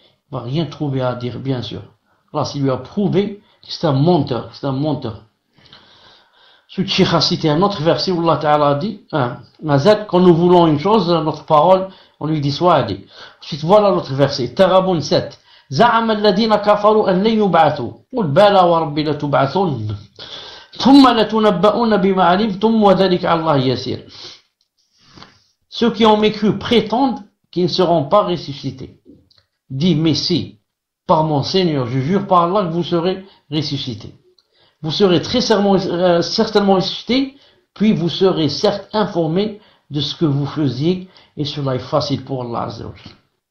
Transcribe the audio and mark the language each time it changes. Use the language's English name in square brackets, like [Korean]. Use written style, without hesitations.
[French] Va rien trouver à dire, bien sûr. Là, s'il lui a prouvé que c'est un menteur, c'est un menteur. Cheikh a cité un autre verset où Allah Ta'ala a dit, hein, quand nous voulons une chose, notre parole, On lui dit soit Adi. Ensuite, voilà l'autre verset. Tarabun 7. [Arabic] زعم الذين كفروا أن لن يبعثوا قل بلى وربي لتبعثن ثم لتنبؤن بما علمتم وذلك على الله يسير. [French] Ceux qui ont mécru prétendent qu'ils ne seront pas ressuscités. Dit Messie, par mon Seigneur, je jure par Allah que vous serez ressuscités. Vous serez très certainement ressuscités, puis vous serez certes informés de ce que vous faisiez, et cela est facile pour Allah Azza wa Jalla.